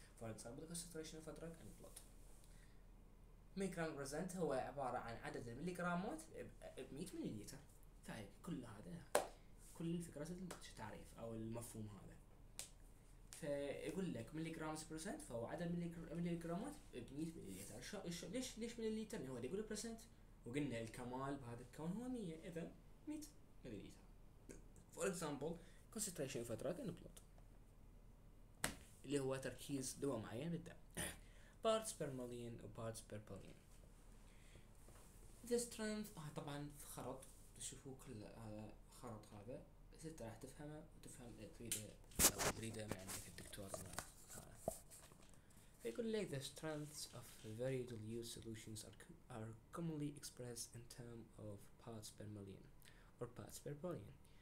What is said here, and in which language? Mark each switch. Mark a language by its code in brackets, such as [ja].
[en] For example, the concentration of a drug in blood. [ar] milligram percent هو عبارة عن عدد المليغرامات ب 100 مللتر. فهي كل هذا، كل الفكرة التعريف أو المفهوم هذا. فيقول لك مليغرامز برسنت، فهو عدد مليغرامات ب 100 ملليلتر. ليش ملليلتر؟ هو اللي يقول برسنت، وقلنا الكمال بهذا الكون هو 100، اذا 100 ملليلتر. [en] for example concentration of drug in blood, [ar] اللي هو تركيز دواء معين بالدم. [en] parts per million وبارتس per billion the strength, [ar] طبعا في خرط تشوفوا كل خرط هذا، بس انت راح تفهمه وتفهم تريده من عندك الدكتور. يقول لك [en] the strengths of very dilute solutions are commonly expressed in terms of parts per million or parts per billion.